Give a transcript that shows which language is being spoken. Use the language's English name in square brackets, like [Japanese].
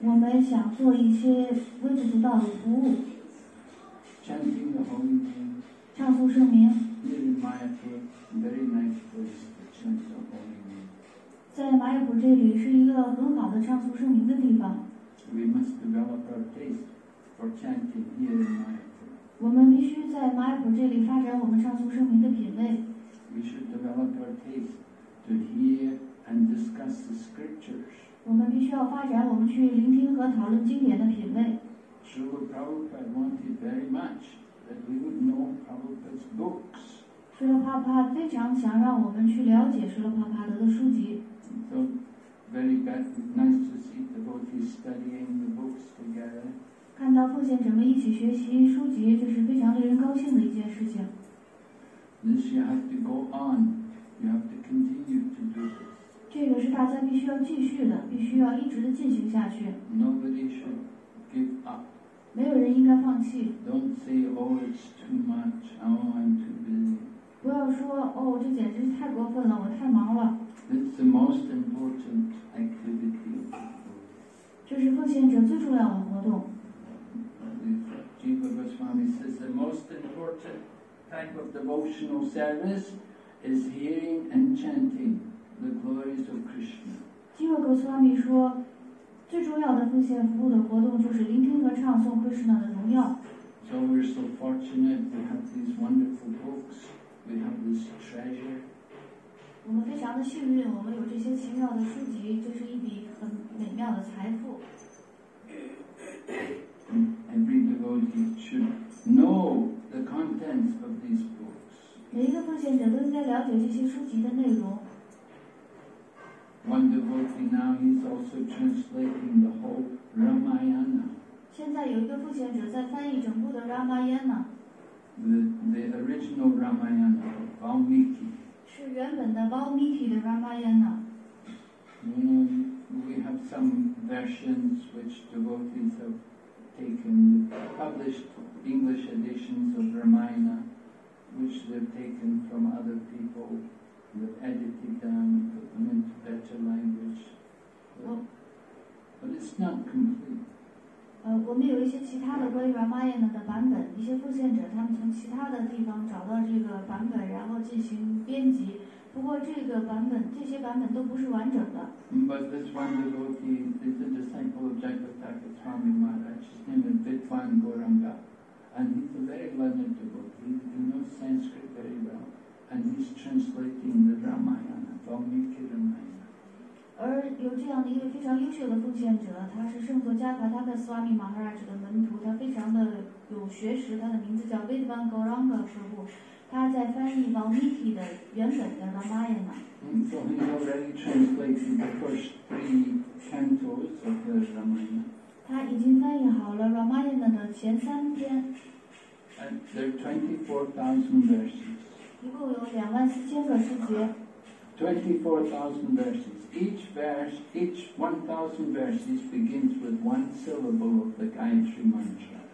[Chinese] 我们想做一些微不足道的服务。 [English] Chanting the holy name. [Chinese] 唱诵圣名。 [English] Here in Mayapur, very nice place to chant the holy name. [Chinese] 在马尔普这里是一个很好的唱诵圣名的地方。 [English] We must develop our taste for chanting here in Mayapur. [Chinese] 我们必须在马尔普这里发展我们唱诵圣名的品味。 [English] We should develop our taste to hear and discuss the scriptures. [Chinese] 我们必须要发展我们去聆听和讨论经典的品味。 [English] Srila Prabhupada wanted very much that we would know Prabhupada's books. [Chinese] 舍勒帕帕非常想让我们去了解舍勒帕帕德的书籍。 [English] So very good, nice to see the devotees studying the books together. [Chinese] 看到奉献者们一起学习书籍，这是非常令人高兴的一件事情。 [English] This you have to go on, you have to continue to do this. [Chinese] 这个是大家必须要继续的，必须要一直的进行下去。 [English] Nobody should give up. [Chinese] 没有人应该放弃。 [English] Don't say, oh, it's too much. Oh, I'm too busy. [Chinese] 不要说哦，这简直是太过分了，我太忙了。 [English] It's the most important activity of the devotee. [Chinese] 这是奉献者最重要的活动。 [English] Jiva Goswami says the most important type of devotional service is hearing and chanting the glories of Krishna. [Chinese] Jiva Goswami 说。最重要的奉献服务的活动就是聆听和唱诵 Krishna 的荣耀。 [English] So we're so fortunate we have these wonderful books, we have this treasure. [Chinese] 我们非常的幸运，我们有这些奇妙的书籍，这是一笔很美妙的财富。 [English] Every devotee should know the contents of these books. [Chinese] 每一个奉献者都应该了解这些书籍的内容。 [English] One devotee now he's also translating the whole Ramayana. [Chinese] 现在有一个奉献者在翻译整部的 Ramayana. [English] The original Ramayana, Valmiki. [Chinese] 是原本的 Valmiki 的 Ramayana. [English] We have some versions which devotees have taken, published English editions of Ramayana, which they've taken from other people. Edited them, put them into better language. But it's not complete. [Chinese] 我们有一些其他的关于 Ramayana 的版本，一些奉献者他们从其他的地方找到这个版本，然后进行编辑。不过这个版本，这些版本都不是完整的。 [English] But this one devotee is a disciple of Jagatthakur Swami Maharaj. His name is Vidwan Gauranga, and he's a very learned devotee. He knows Sanskrit very well. And he's translating the Ramayana, Valmiki Ramayana. [Chinese] 而有这样的一个非常优秀的奉献者，他是圣佛加达他的 Swami Maharaj 的门徒，他非常的有学识，他的名字叫 Vidwan Gauranga 师傅，他在翻译 Valmiki 的原本的 Ramayana. [English] So he already translated the first three cantos of the Ramayana. [Chinese] 他已经翻译好了 Ramayana 的前三篇。 [English] And there are 24,000 verses. [Chinese] 一共有两万四千个诗节。 [English] 24,000 verses. Each verse, each 1,000 verses begins with one syllable of the Gayatri Mantra.